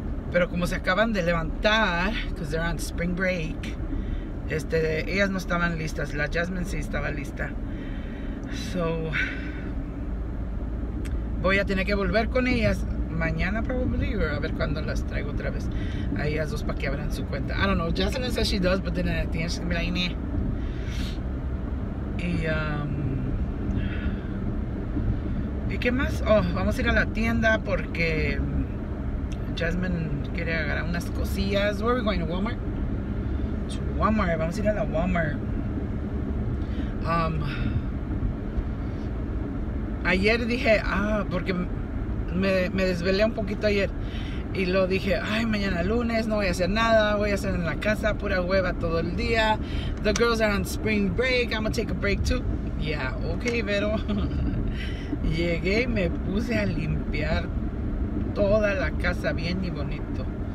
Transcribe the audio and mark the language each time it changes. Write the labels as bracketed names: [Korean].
[Spanish] Pero como se acaban de levantar, [English] because they're on spring break, [Spanish] ellas no estaban listas. La Jasmine sí estaba lista. So, voy a tener que volver con ellas mañana, probably, or a ver cuando las traigo otra vez a ellas dos para que abran su cuenta. [English] I don't know, Jocelyn says she does, but then at the end she's gonna be like, meh. [Spanish] ¿Y qué más? Oh, vamos a ir a la tienda porque Jasmine quiere agarrar unas cosillas. [English] Where are we going? [Spanish] To Walmart. Vamos a ir a la Walmart. Ayer dije, porque Me desvelé un poquito ayer y lo dije, ay, mañana lunes no voy a hacer nada, voy a hacer en la casa pura hueva todo el día. [English] The girls are on spring break, I'm gonna take a break too. Yeah, okay, Vero. [Spanish] Llegué y me puse a limpiar toda la casa bien y bonito.